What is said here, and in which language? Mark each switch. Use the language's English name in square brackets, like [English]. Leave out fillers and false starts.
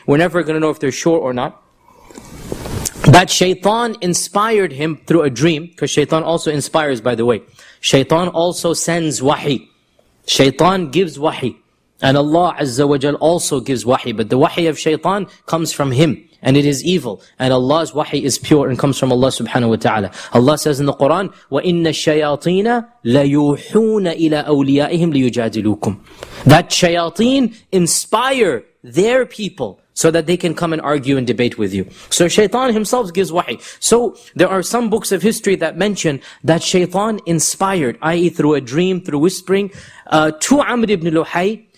[English] We're never going to know if they're sure or not. That shaitan inspired him through a dream, because shaitan also inspires, by the way. Shaitan also sends wahi. Shaitan gives wahi. And Allah azza wa jal also gives wahi. But the wahi of shaitan comes from him. And it is evil. And Allah's wahi is pure and comes from Allah subhanahu wa ta'ala. Allah says in the Quran, [Arabic] وَإِنَّ الشَّيَاطِينَ لَيُوحُونَ إِلَىٰ أَوْلِيَائِهِمْ لِيُجَادِلُوكُمْ. [English] That shayateen inspire their people so that they can come and argue and debate with you. So shaitan himself gives wahi. So there are some books of history that mention that shaitan inspired, i.e. through a dream, through whispering, to Amr ibn Luhay